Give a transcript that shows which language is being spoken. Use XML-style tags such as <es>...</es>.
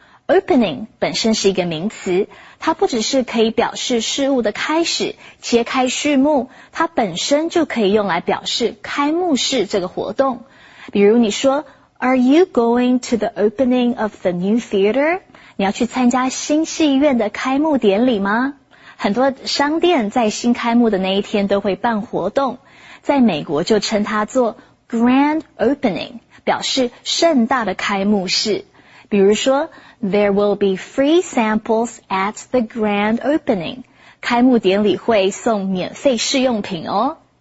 <zh>Opening 本身是一个名词，它不只是可以表示事物的开始，揭开序幕，它本身就可以用来表示开幕式这个活动。比如你说</zh> <en>Are you going to the opening of the new theater?</en> <zh>你要去参加新戏院的开幕典礼吗？很多商店在新开幕的那一天都会办活动，在美国就称它做 Grand Opening， 表示盛大的开幕式。比如说</zh> <en>There will be free samples at the grand opening.</en> <zh>开幕典礼会送免费试用品哦。</zh>